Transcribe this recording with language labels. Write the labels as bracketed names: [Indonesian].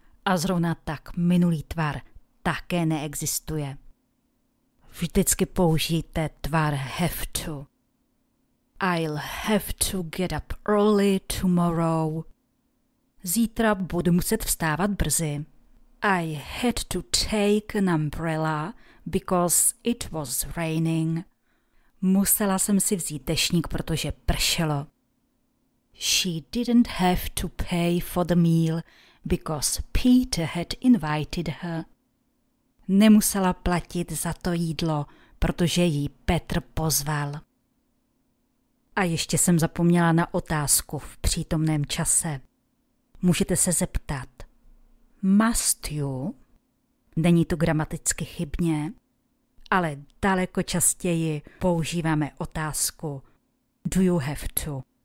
[Czech] A zrovna tak minulý tvar také neexistuje. Vždycky použijte tvar have to. [English] I'll have to get up early tomorrow. [Czech] Zítra budu muset vstávat brzy. [English] I had to take an umbrella because it was raining. [Czech] Musela jsem si vzít deštník, protože pršelo. [English] She didn't have to pay for the meal because Peter had invited her. [Czech] Nemusela platit za to jídlo, protože jí Petr pozval. A ještě jsem zapomněla na otázku v přítomném čase. Můžete se zeptat. [English] Must you? [Czech] Není to gramaticky chybně, ale daleko častěji používáme otázku. [English] Do you have to?